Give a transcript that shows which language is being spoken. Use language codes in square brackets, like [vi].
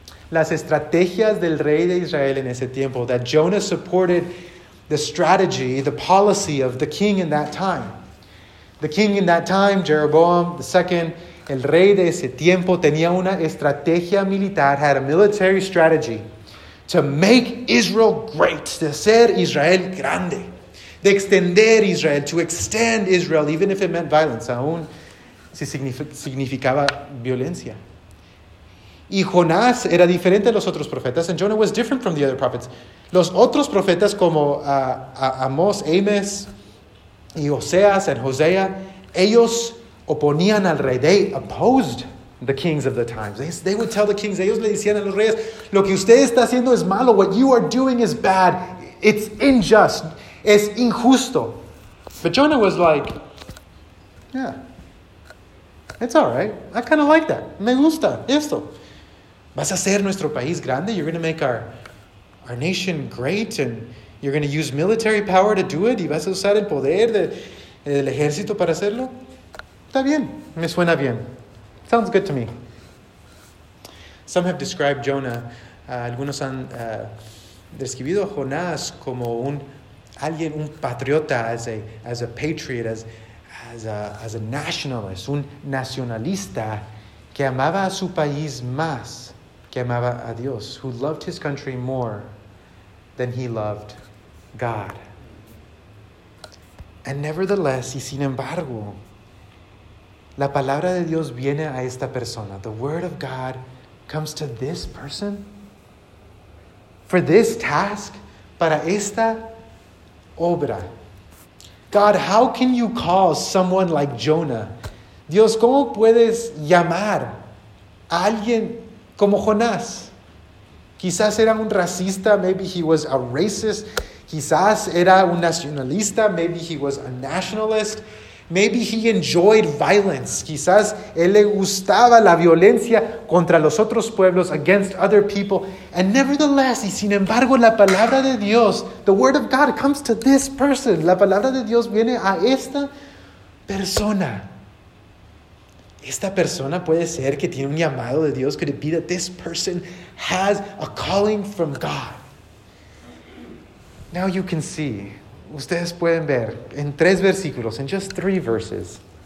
[es] las estrategias del rey de Israel en ese tiempo. [en] That Jonah supported the strategy, the policy of the king in that time. The king in that time, Jeroboam II, [es] el rey de ese tiempo, tenía una estrategia militar, [en] had a military strategy to make Israel great, [es] de hacer Israel grande, de extender Israel, [en] to extend Israel, even if it meant violence, [es] aún si significaba violencia. Y Jonás era diferente de los otros profetas. [en] And Jonah was different from the other prophets. [es] Los otros profetas como Amós, Amós, y Oseas [en] and Hosea, [es] ellos oponían al rey. [en] They opposed the kings of the times. They would tell the kings, [es] ellos le decían a los reyes, lo que usted está haciendo es malo. [en] What you are doing is bad. It's unjust. [es] Es injusto. [en] But Jonah was like, yeah, it's all right. I kind of like that. [es] Me gusta esto. Vas a hacer nuestro país grande. [en] You're going to make our nation great. And you're going to use military power to do it. [es] Y vas a usar el poder del ejército para hacerlo. Está bien. Me suena bien. [en] Sounds good to me. Some have described Jonah. [es] Algunos han describido a Jonás como un alguien, un patriota, [en] as a patriot, as a nationalist, [es] un nacionalista que amaba a su país más que amaba a Dios, [en] who loved his country more than he loved God. And nevertheless, [es] y sin embargo, la palabra de Dios viene a esta persona. [en] The word of God comes to this person for this task, [es] para esta obra. [en] God, how can you call someone like Jonah? [es] Dios, ¿cómo puedes llamar a alguien como Jonás? Quizás era un racista. [en] Maybe he was a racist. [es] Quizás era un nacionalista. [en] Maybe he was a nationalist. Maybe he enjoyed violence. [es] Quizás él le gustaba la violencia contra los otros pueblos, [en] against other people. And nevertheless, [es] y sin embargo, la palabra de Dios, [en] the word of God comes to this person. [es] La palabra de Dios viene a esta persona. Esta persona puede ser que tiene un llamado de Dios. [en] Could it be that this person has a calling from God? Now you can see. [es] Ustedes pueden ver en tres versículos, [en] in just three verses.